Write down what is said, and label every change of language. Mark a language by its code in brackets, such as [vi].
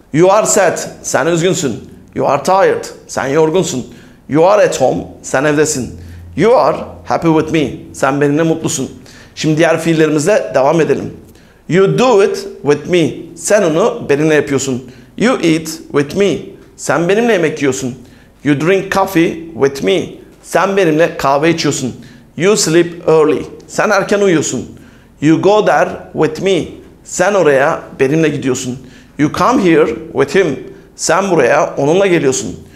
[en] You are sad. [tr] Sen üzgünsün. [en] You are tired. [tr] Sen yorgunsun. [en] You are at home. [tr] Sen evdesin. [en] You are happy with me. [tr] Sen benimle mutlusun. Şimdi diğer fiillerimizle devam edelim. [en] You do it with me. [tr] Sen onu benimle yapıyorsun. [en] You eat with me. [tr] Sen benimle yemek yiyorsun. [en] You drink coffee with me. [tr] Sen benimle kahve içiyorsun. [en] You sleep early. [tr] Sen erken uyuyorsun. [en] You go there with me. [tr] Sen oraya benimle gidiyorsun. [en] You come here with him. [tr] Sen buraya onunla geliyorsun.